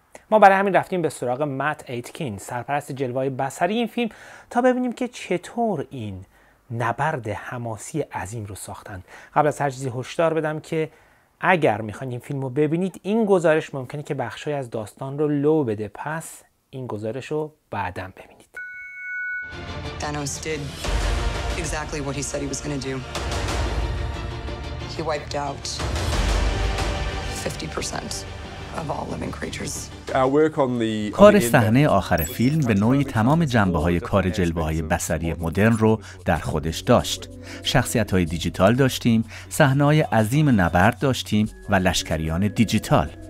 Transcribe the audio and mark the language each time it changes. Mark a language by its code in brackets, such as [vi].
[fa] ما برای همین رفتیم به سراغ مت ایتکین، سرپرست جلوه‌های بصری این فیلم، تا ببینیم که چطور این نبرد حماسی عظیم رو ساختن. قبل از هر چیزی هشدار بدم که اگر میخواین این فیلم رو ببینید، این گزارش ممکنه که بخشی از داستان رو لو بده، پس این گزارش رو بعدم ببینید. [en] Thanos did exactly what he said he was going to do. He wiped out 50% of all living creatures. [fa] کار صحنه آخر فیلم به نوعی تمام جنبه‌های کار جلوه‌های بصری مدرن رو در خودش داشت. شخصیت‌های دیجیتال داشتیم، صحنه‌های عظیم نبرد داشتیم و لشکریان دیجیتال.